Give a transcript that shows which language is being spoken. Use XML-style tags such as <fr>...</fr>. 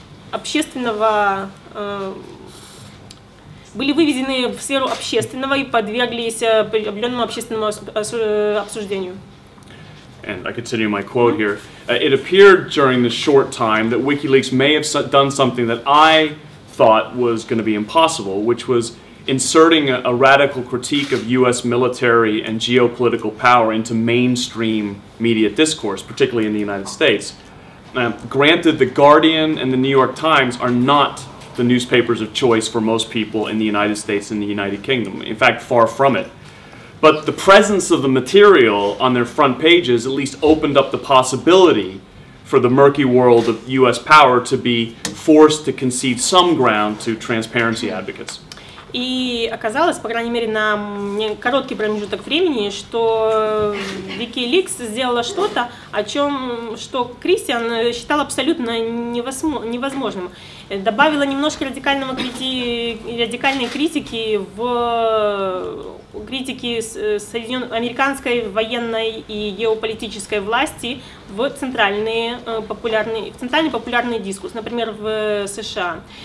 <ru>общественного, были выведены в сферу общественного и подверглись определенному общественному обсуждению.</ru> <en>And I continue my quote here. It appeared during this short time that WikiLeaks may have done something that I thought was going to be impossible, which was inserting a radical critique of U.S. military and geopolitical power into mainstream media discourse, particularly in the United States. Granted, The Guardian and The New York Times are not the newspapers of choice for most people in the United States and the United Kingdom. In fact, far from it. But the presence of the material on their front pages at least opened up the possibility for the murky world of U.S. power to be forced to concede some ground to transparency advocates.</en> <ru>И оказалось, по крайней мере, на короткий промежуток времени, что WikiLeaks сделала что-то, о чем, что Кристиан считал абсолютно невозможным. Добавила немножко радикального радикальной критики в критики американской военной и геополитической власти в центральные популярные, центральный популярный дискурс, например, в США.</ru>